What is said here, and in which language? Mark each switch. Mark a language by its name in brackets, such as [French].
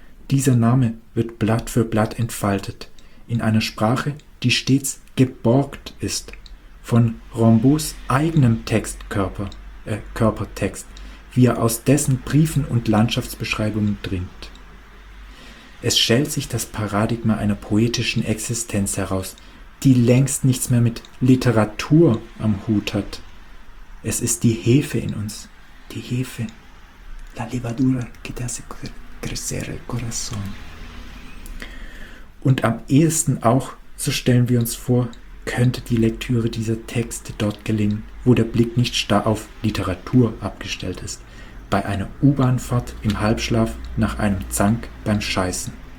[German] Dieser Name wird Blatt für Blatt entfaltet, in einer Sprache, die stets geborgt ist, von Rambauds eigenem Körpertext, wie er aus dessen Briefen und Landschaftsbeschreibungen dringt. Es schält sich das Paradigma einer poetischen Existenz heraus, die längst nichts mehr mit Literatur am Hut hat. Es ist die Hefe in uns. Die Hefe. [Spanish] La levadura que te hace crecer el corazón. [German] Und am ehesten auch, so stellen wir uns vor, könnte die Lektüre dieser Texte dort gelingen, wo der Blick nicht starr auf Literatur abgestellt ist. Bei einer U-Bahnfahrt im Halbschlaf nach einem Zank beim Scheißen.